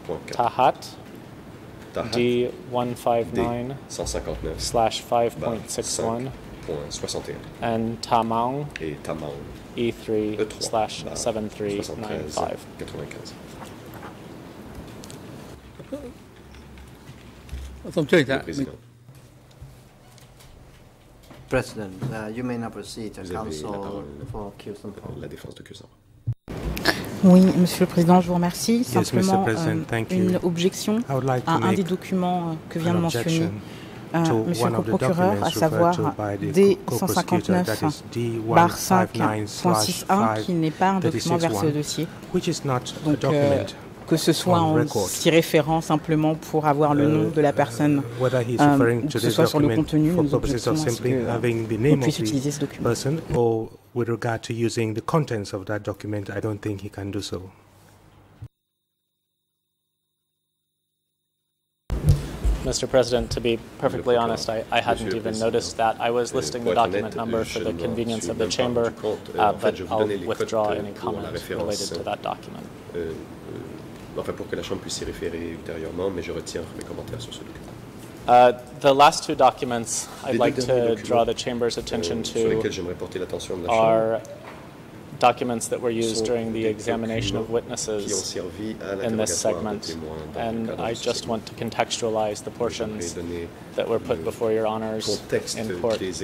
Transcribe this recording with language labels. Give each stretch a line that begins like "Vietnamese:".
English: Ta Hat, D159/5.61, and Ta Mang, E3/7395. President, you may now proceed to counsel for Kyusampo.
French: Oui, Monsieur le Président, je vous remercie. Simplement, une objection à un des documents que vient de mentionner Monsieur le Procureur, à savoir D159/5.61, qui n'est pas un document versé au dossier. Donc, que ce soit en s'y référant simplement pour avoir le nom de la personne, que ce soit sur le contenu, nous objections à ce que puisse utiliser ce document.
English: With regard to using the contents of that document, I don't think he can do so. Mr. President, to be perfectly honest, I hadn't even noticed that. I was listing the document number for the convenience of the chamber, but I'll withdraw any comment related to that document.
French: Enfin, pour que la chambre puisse y référer ultérieurement, mais je retire mes commentaires sur ce document.
English: The last two documents I'd like to draw the chamber's attention to are documents that were used during the examination of witnesses in this segment, and I just want to contextualize the portions that were put before your honors in court.